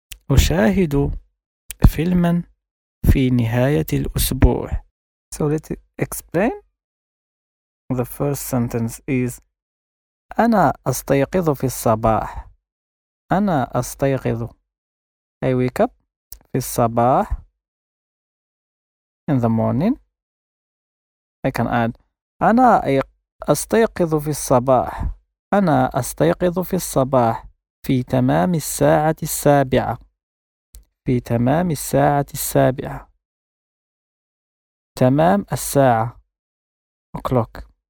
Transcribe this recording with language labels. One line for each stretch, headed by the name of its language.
Arabic: أشاهد فيلما في نهاية الأسبوع.
English: So let's explain. The first sentence is
Arabic: أنا أستيقظ في الصباح. أنا أستيقظ.
English: I wake up
Arabic: في الصباح.
English: In the morning. I can add
Arabic: أنا أستيقظ في الصباح. أنا أستيقظ في الصباح في تمام الساعة السابعة. في تمام الساعة السابعة. تمام الساعة o'clock.